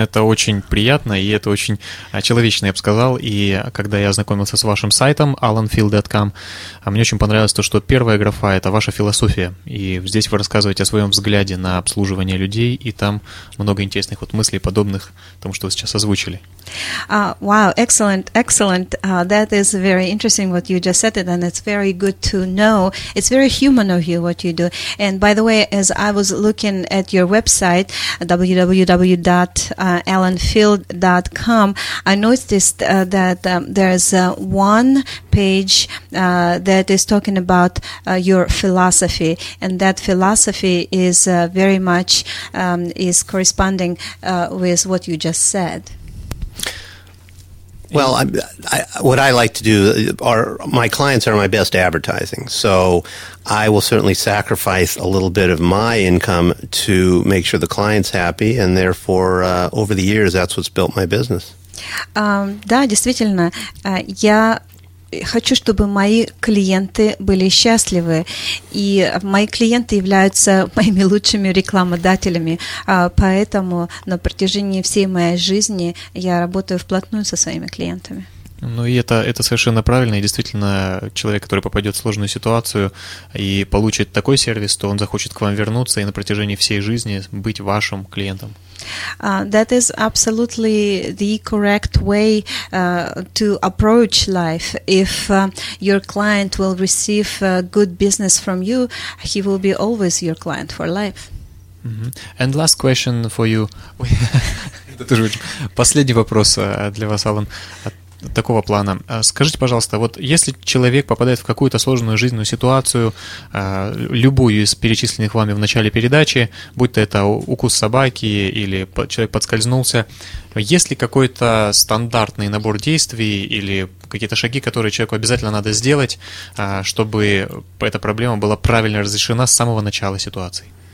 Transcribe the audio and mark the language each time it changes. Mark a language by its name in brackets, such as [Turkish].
[Russian] Это очень приятно, и это очень человечно, я бы сказал. И когда я ознакомился с вашим сайтом alanfield.com, мне очень понравилось то, что первая графа – это ваша философия. И здесь вы рассказываете о своем взгляде на обслуживание людей, и там много интересных вот мыслей, подобных тому, что вы сейчас озвучили. [English] Wow, excellent, excellent. That is very interesting what you just said, and it's very good to know. It's very human of you what you do. And by the way, as I was looking at your website, www.alanfield.com, I noticed that there is one page that is talking about your philosophy, and that philosophy is very much is corresponding with what you just said. Well, what I like to do, my clients are my best advertising, so I will certainly sacrifice a little bit of my income to make sure the client's happy, and therefore, over the years, that's what's built my business. [Russian] Да, действительно, я хочу, чтобы мои клиенты были счастливы, и мои клиенты являются моими лучшими рекламодателями, поэтому на протяжении всей моей жизни я работаю вплотную со своими клиентами. Ну и это совершенно правильно, и действительно человек, который попадет в сложную ситуацию и получит такой сервис, то он захочет к вам вернуться и на протяжении всей жизни быть вашим клиентом. [English] That is absolutely the correct way to approach life. If your client will receive good business from you, he will be always your client for life. Mm-hmm. And last question for you. [Russian] Последний вопрос для вас, Алан. Такого плана. Скажите, пожалуйста, вот если человек попадает в какую-то сложную жизненную ситуацию, любую из перечисленных вами в начале передачи, будь то это укус собаки или человек подскользнулся, есть ли какой-то стандартный набор действий или какие-то шаги, которые человеку обязательно надо сделать, чтобы эта проблема была правильно разрешена с самого начала ситуации?